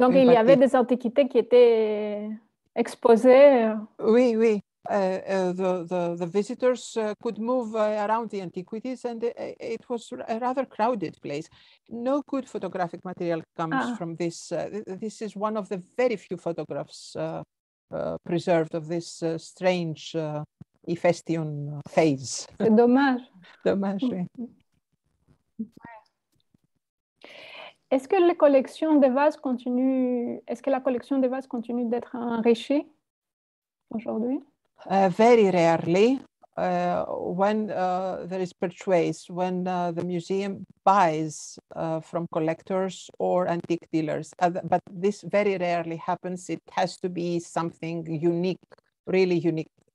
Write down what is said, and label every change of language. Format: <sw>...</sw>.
<fr>Donc il y avait des antiquités qui étaient exposées. Oui, oui.</fr> <en>The visitors could move around the antiquities, and it was a rather crowded place. No good photographic material comes from this. This is one of the very few photographs preserved of this strange Hephaestion phase.</en> <fr>C'est dommage. Dommage, oui. Est-ce que les collections de vases continuent, est-ce que la collection de vases continue d'être enrichie aujourd'hui?</fr> <en>Very rarely, when there is purchase, when the museum buys from collectors or antique dealers, but this very rarely happens. It has to be something unique, really unique.</en>